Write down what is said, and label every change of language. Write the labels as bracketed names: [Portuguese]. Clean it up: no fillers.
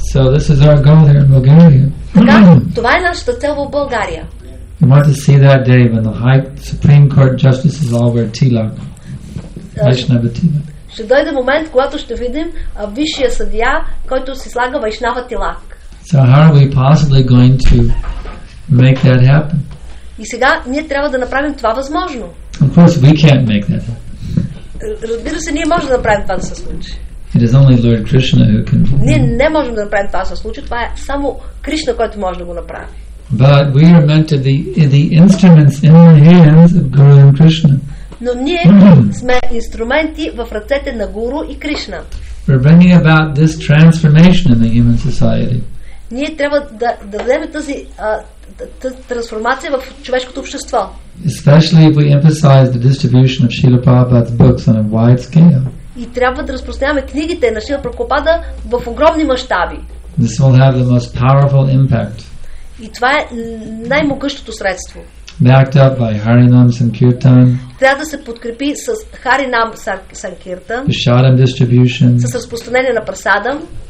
[English] So this is our goal here in Bulgaria. [Bulgarian] Така, това е нашата цел в България. [English] You want to see that day when the high Supreme Court justices all wear tilak. Vaishnava tilak. [Bulgarian] Ще дойде момент, когато ще видим висшия съдия, който си слага вайшнава тилак. [English] So how are we possibly going to make that happen? [Bulgarian] И сега ние трябва да направим това възможно. [English] Of course we can't make that happen. [Bulgarian] Разбира се, ние можем да направим това да се случи. [English] It is only Lord Krishna who can. [Bulgarian] Ние не можем да направим това да се случи. Това е само Кришна, който може да го направи. [English] But we are meant to be the instruments in the hands of Guru and Krishna. [Bulgarian] Но ние сме инструменти в ръцете на Гуру и Кришна. [English] We're bringing about this transformation in the human society. [Bulgarian] Ние трябва да дадем тази трансформация в човешкото общество. [English] Especially if we emphasize the distribution of Srila Prabhupada's books on a wide scale. [Bulgarian] И трябва да разпространяваме книгите на Шрила Прабхупада в огромни мащаби. [English] This will have the most powerful impact. [Bulgarian] И това е най-могъщото средство. [English] Backed up by Harinam Sankirtan. [Bulgarian] Трябва да се подкрепи с Харинам Санкиртан. [English] Prasadam distribution. [Bulgarian] С разпространение на прасадам.